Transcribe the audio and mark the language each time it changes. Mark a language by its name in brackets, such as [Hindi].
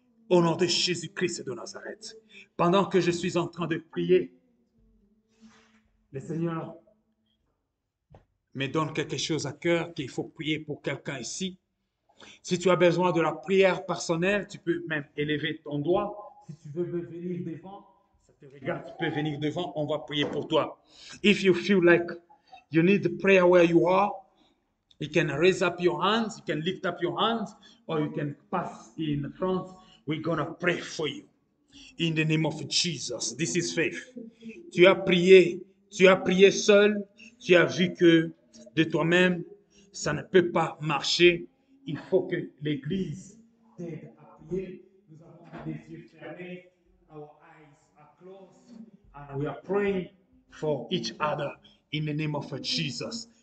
[French] Au nom de Jésus-Christ de Nazareth, pendant que je suis en train de prier, le Seigneur me donne quelque chose à cœur, qu'il faut prier pour quelqu'un ici. Si tu as besoin de la prière personnelle, tu peux même élever ton doigt. Si tu veux venir devant, ça te regarde, tu peux venir devant, on va prier pour toi. [English] If you feel like you need prayer where you are, you can raise up your hands, you can lift up your hands, or you can pass in front. We're going to pray for you. In the name of Jesus, this is faith. [French] Tu as prié seul, tu as vu que de toi-même, ça ne peut pas marcher. Il faut que l'Église t'aide à prier. Nous avons les yeux fermés, [English] our eyes are closed, and we are praying for each other in the name of Jesus.